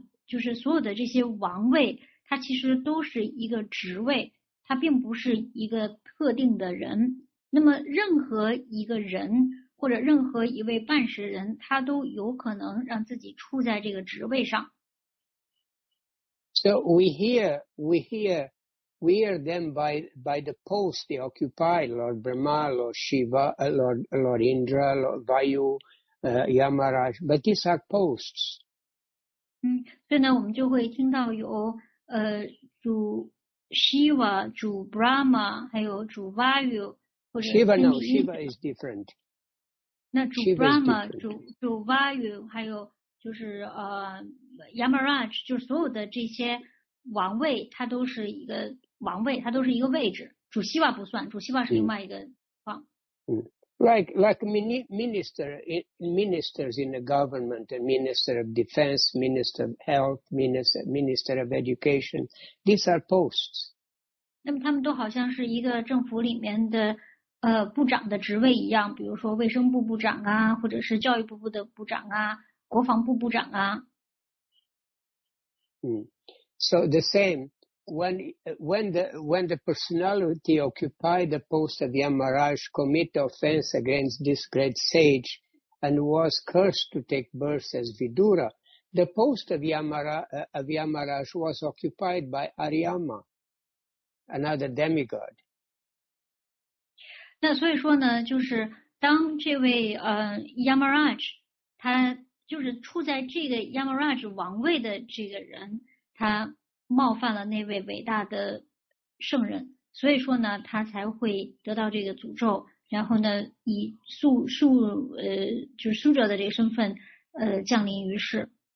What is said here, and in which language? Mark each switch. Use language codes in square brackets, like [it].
[zh] 就是所有的这些王位，它其实都是一个职位，它并不是一个特定的人。那么任何一个人或者任何一位办事人，他都有可能让自己处在这个职位上。 [en] So we hear, we are then by the post they occupy, Lord Brahma, Lord Shiva, Lord Indra, Lord Vayu, Yamaraj, but these are posts. [zh] 所以呢，我们就会听到有主 Shiva, 主 Brahma, 还有主 Vayu, 或者 [en] Shiva, no, Shiva is different. [zh] 那主 Brahma, 主 Vayu, 还有就是Yamaraj, 就是所有的这些王位，它都是一个王位，它都是一个位置。主希瓦不算，主希瓦是另外一个方。 [en] Like ministers in the government, a minister of defense, minister of health, minister of education, these are posts. [zh] 那么他们都好像是一个政府里面的部长的职位一样，比如说卫生部部长啊，或者是教育部的部长啊，国防部部长啊。 [en] So the same when the personality occupied the post of Yamaraj commit offense against this great sage and was cursed to take birth as Vidura, the post of Yamaraj was occupied by Ariyama, another demigod. [zh] 那所以说呢，就是当这位Yamaraj 他就是处在这个 Yamaraj 王位的这个人，他冒犯了那位伟大的圣人，所以说呢，他才会得到这个诅咒，然后呢，以宿者的这个身份降临于世。